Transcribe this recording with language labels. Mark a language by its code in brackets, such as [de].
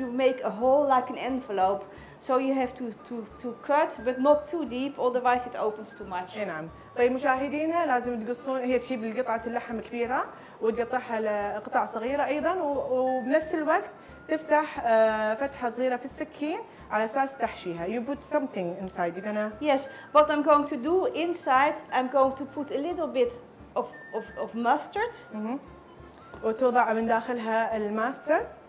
[en] You make a hole like an envelope, so you have to cut, but not too deep, otherwise it opens too much. [ar] نعم. طيب مشاهدينا، لازم تقصون، هي تجيب قطعة اللحم كبيرة وتقطعها لقطع صغيرة أيضا، وبنفس الوقت تفتح فتحة صغيرة في السكين على أساس تحشيها. [en] You put something inside. You're gonna. Yes. What I'm going to do inside, I'm going to put a little bit of mustard. [ar] وتوضع من داخلها الماستر.